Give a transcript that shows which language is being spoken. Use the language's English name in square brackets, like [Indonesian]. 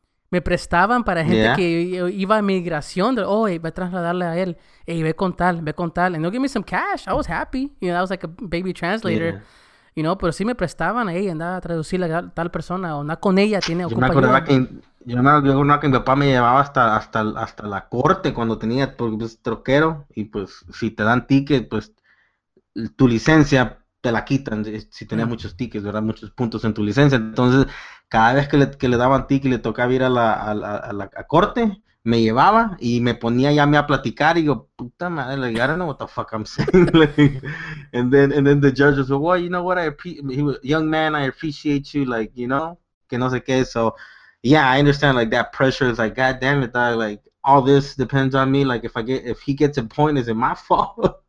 [Spanish] Me prestaban para gente que iba a migración. Oh, hey, va a trasladarle a él. Hey, ve con tal. [English] And they'll give me some cash. I was happy. You know, I was like a baby translator. Yeah. [Spanish] You know, pero sí me prestaban ahí, andaba a traducir a tal persona, o andaba con ella, tiene ocupa. Yo me acuerdo que mi papá me llevaba hasta la corte cuando tenía, pues, troquero, y pues, si te dan ticket, pues, tu licencia te la quitan, si tenés muchos tickets, ¿verdad? Muchos puntos en tu licencia, entonces, cada vez que le daban ticket y le tocaba ir a la corte, me llevaba y me ponía ya me a platicar y yo, puta madre, like, [English] I don't know what the fuck I'm saying. Like, and then the judge was like, well, you know what, young man, I appreciate you, like, you know, [Spanish] que no sé qué. [English] So, yeah, I understand, like, that pressure is like, God damn it, dog, like, all this depends on me. Like, if he gets a point, is it my fault?